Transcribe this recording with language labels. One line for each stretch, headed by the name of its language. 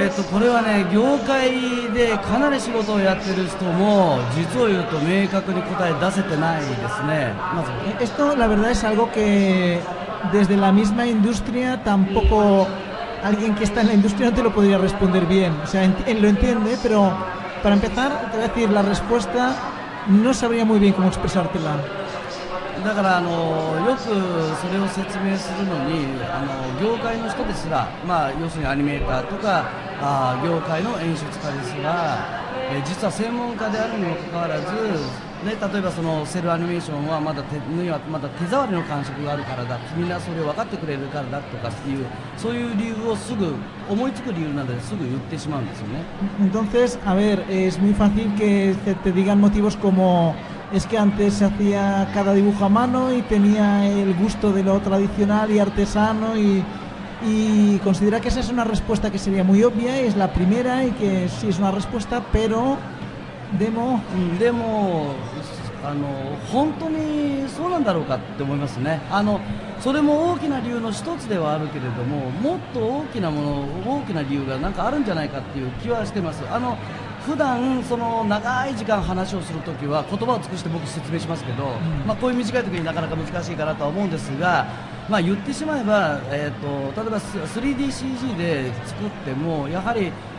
Japanese: これはね、業界でかなり仕事をやってる人も実を言うと明確に答え出せてないですね。まず、
Spanish: esto la verdad es algo que desde la misma industria tampoco alguien que está en la industria no te lo podría responder bien. O sea, lo entiende, pero para empezar te voy a decir la respuesta no sabría muy bien cómo expresártela。
Japanese: だからあのよくそれを説明するのにあの業界の人ですら、まあ、要するにアニメーターとかあー業界の演出家ですら、実は専門家であるにもかかわらず、ね、例えばそのセルアニメーションはまだ手、まだ手触りの感触があるからだ、みんなそれを分かってくれるからだとかっていう、そういう理由をすぐ思いつく理由なのですぐ言ってしまうんですよね。
Spanish: Entonces, a ver, es muy fácil que te digan motivos comoes que antes se hacía cada dibujo a mano y tenía el gusto de lo tradicional y artesano y considera que esa es una respuesta que sería muy obvia y es la primera y que sí es una respuesta, pero
Japanese: demo demo あの本当にそうなんだろうかって思いますね。あのそれも大きな理由の一つではあるけれども、もっと大きなもの大きな理由がなんかあるんじゃないかっていう気はしてます。あの普段その長い時間話をするときは言葉を尽くして僕説明しますけど、まあこういう短いときになかなか難しいかなとは思うんですが、まあ言ってしまえば例えば 3DCG で作ってもやはり